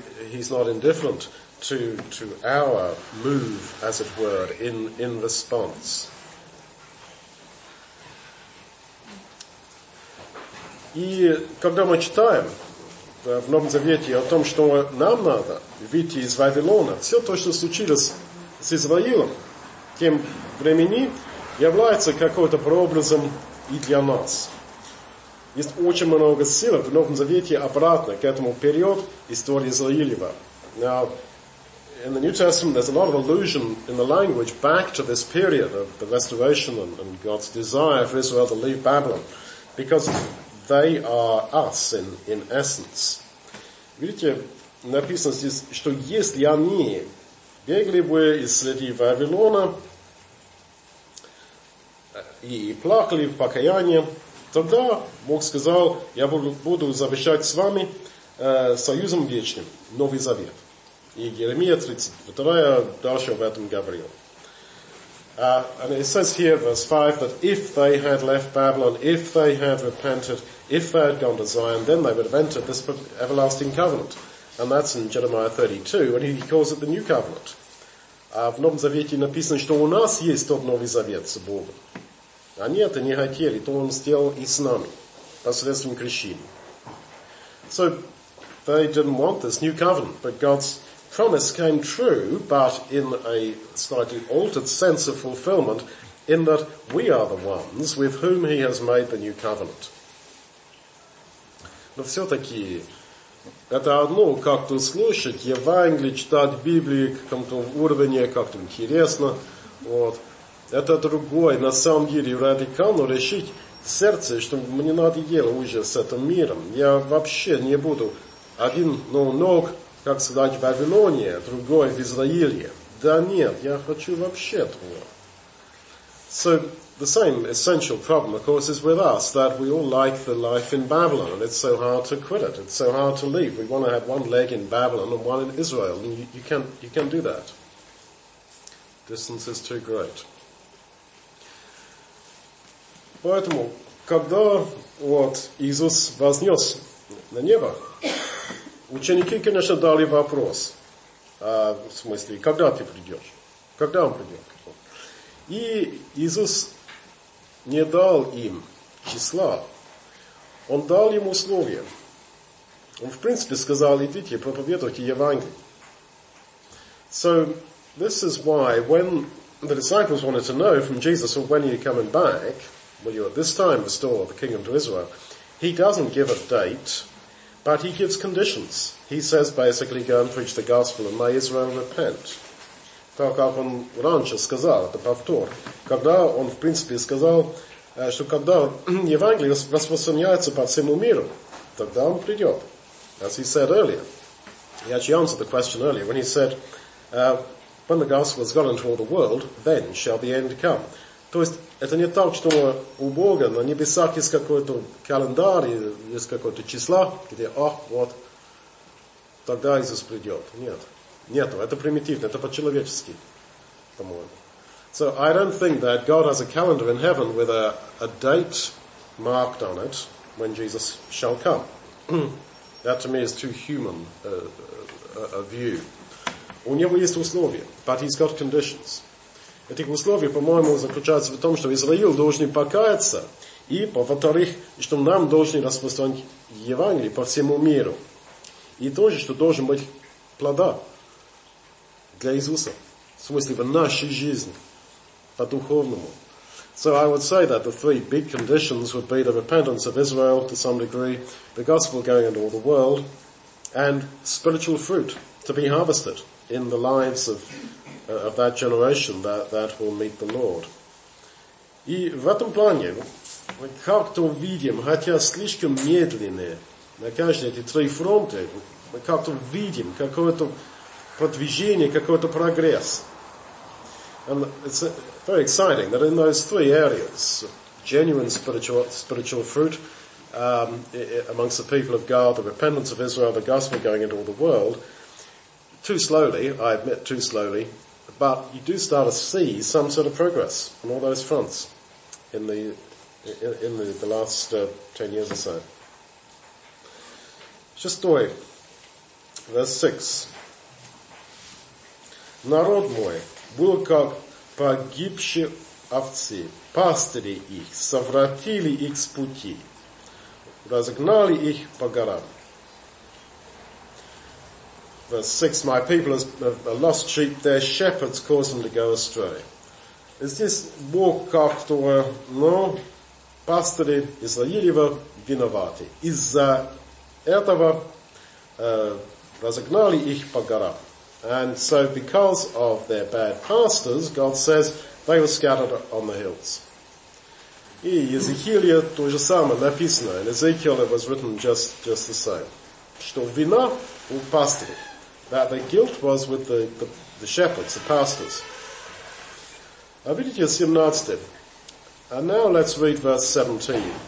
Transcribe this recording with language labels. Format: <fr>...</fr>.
<en>He's not indifferent to our move, as it were, in response.</en> <ru>И когда мы читаем в Новом Завете о том, что нам надо выйти из Вавилона, все то, что случилось с Израилем, тем времени, является какой-то прообразом и для нас. Есть очень много ссылок в Новом Завете обратно к этому периоду истории Израилева.</ru> <en>Now, in the New Testament, there's a lot of allusion in the language back to this period of the restoration and God's desire for Israel to leave Babylon, because they are us in essence.</en> <ru>Видите, написано здесь, что если они бегли бы из среди Вавилона, и плакали в покаянии, Тогда Бог сказал, я буду завещать с вами союзом вечным, Новый Завет. И Иеремия 32 дальше об этом говорил.</ru> <en>And it says here, verse 5, that if they had left Babylon, if they had repented, if they had gone to Zion, then they would have entered this everlasting covenant. And that's in Jeremiah 32, and he calls it the New Covenant.</en> <ru>В Новом Завете написано, что у нас есть тот Новый Завет с Богом. А нет, и не хотели, то он сделал и с нами, посредством крещения.</ru> <en>So, they didn't want this New Covenant, but God's promise came true, but in a slightly altered sense of fulfillment, in that we are the ones with whom he has made the New Covenant.</en> <ru>Но все-таки... Это одно, как-то слушать Евангелие, читать Библию, каком-то уровне, как-то интересно. Вот. Это другое, на самом деле, радикально решить в сердце, что мне надо делать уже с этим миром. Я вообще не буду один ног, как сказать, в Вавилоне, другой в Израиле. Да нет, я хочу вообще этого.</ru> <en>So, the same essential problem, of course, is with us, that we all like the life in Babylon, and it's so hard to quit it, it's so hard to leave. We want to have one leg in Babylon and one in Israel, and you can't do that. Distance is too great.</en> <ru>Поэтому, когда вот Иисус вознес на небо, ученики, конечно, дали вопрос, в смысле, когда ты придешь? Когда он придет? И Иисус не дал им числа, он дал им условия. Он, в принципе, сказал, идите, проповедуйте Евангелие.</ru> <en>So, this is why, when the disciples wanted to know from Jesus, well, when are you coming back, will you at this time restore the kingdom to Israel, he doesn't give a date, but he gives conditions. He says, basically, go and preach the gospel and may Israel repent.</en> <ru>Так как он раньше сказал, это повтор, когда он, в принципе, сказал, что когда Евангелие распространяется по всему миру, тогда он придет.</ru> <en>As he said earlier, he actually answered the question earlier, when he said, when the gospel has gone into all the world, then shall the end come.</en> <ru>То есть, это не так, что у Бога на небесах есть какой-то календарь, есть какое-то число, где, ах, вот, тогда Иисус придет. Нет. Нету, это примитивно, это по-человечески, по-моему.</ru> <en>So, I don't think that God has a calendar in heaven with a date marked on it when Jesus shall come. That, to me, is too human a view.</en> <ru>У него есть условия,</ru> <en>but he's got conditions.</en> <ru>Этих условий, по-моему, заключаются в том, что Израил должен покаяться, и, во-вторых, что нам должны распространить Евангелие по всему миру. И тоже, что должен быть плода. Для Иисуса. В смысле, в нашей жизни. По-духовному.</ru> <en>So I would say that the three big conditions would be the repentance of Israel to some degree, the gospel going into all the world, and spiritual fruit to be harvested in the lives of that generation that will meet the Lord.</en> <ru>И в этом плане, мы как-то видим, хотя слишком медленные, на каждой эти три фронты, мы как-то видим какое-то продвижение, какой-то прогресс.</ru> <en>And it's very exciting that in those three areas, genuine spiritual fruit amongst the people of God, the repentance of Israel, the gospel going into all the world, too slowly, I admit, too slowly, but you do start to see some sort of progress on all those fronts in the last 10 years or so.</en> <ru>Шестой,</ru> <en>verse 6.</en> <ru>Народ мой был как погибшие овцы, пастыри их, совратили их с пути, разогнали их по горам.</ru> <en>Verse 6, my people have lost sheep, their shepherds caused them to go astray.</en> <ru>Здесь Бог как-то, но пастыри Израилева виноваты. Из-за этого разогнали их по горам.</ru> <en>And so because of their bad pastors, God says, they were scattered on the hills.</en> <ru>И Езекииле то же самое написано.</ru> <en>In Ezekiel it was written just the same.</en> <ru>Что вина у пастырей.</ru> <en>That the guilt was with the shepherds, the pastors.</en> <ru>А видите, 17.</ru> <en>And now let's read verse 17.</en>